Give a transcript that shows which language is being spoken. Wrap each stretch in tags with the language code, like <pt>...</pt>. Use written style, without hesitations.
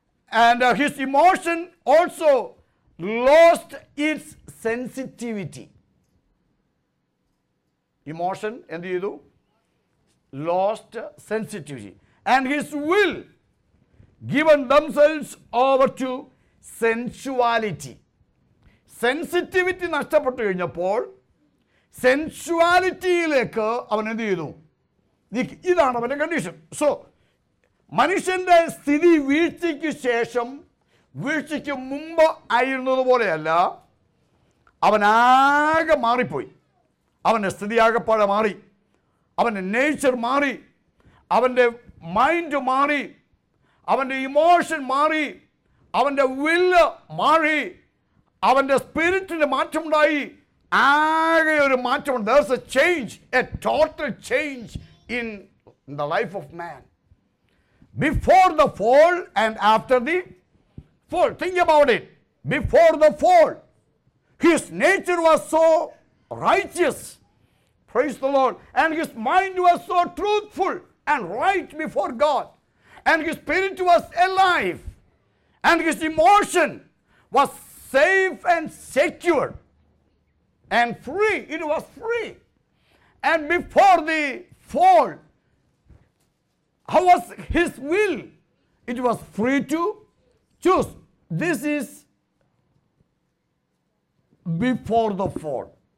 <en>And his emotion also lost its sensitivity. Emotion, and you do? Lost sensitivity. And his will given themselves over to sensuality.</en> <ml>Sensitivity നഷ്ടപ്പെട്ടു കഴിഞ്ഞപ്പോൾ സെൻസുവാലിറ്റിയിലേക്ക് അവൻ എന്ത് ചെയ്തു? ഇതാണ് അവൻ്റെ condition. So മനുഷ്യൻ്റെ സ്ഥിതി വീഴ്ചയ്ക്ക് ശേഷം, വീഴ്ചയ്ക്ക് മുമ്പ് ആയിരുന്നതുപോലെയല്ല, അവനാകെ മാറിപ്പോയി. അവൻ്റെ സ്ഥിതി ആകപ്പാടെ മാറി, അവൻ്റെ നേച്ചർ മാറി, അവൻ്റെ മൈൻഡ് മാറി, അവൻ്റെ ഇമോഷൻ മാറി, അവൻ്റെ വില്ല് മാറി, അവൻ്റെ സ്പിരിറ്റിന് മാറ്റമുണ്ടായി. ആകെ ഒരു മാറ്റമുണ്ട്.</ml> <en>There is a change, a total change in the life of man before the fall and after the fall. Think about it. Before the fall his nature was so righteous. Praise the Lord. And his mind was so truthful and right before God. And his spirit was alive. And his emotion was safe and secure and free. It was free. And before the fall, how was his will? It was free to choose. This is before the fall.</en>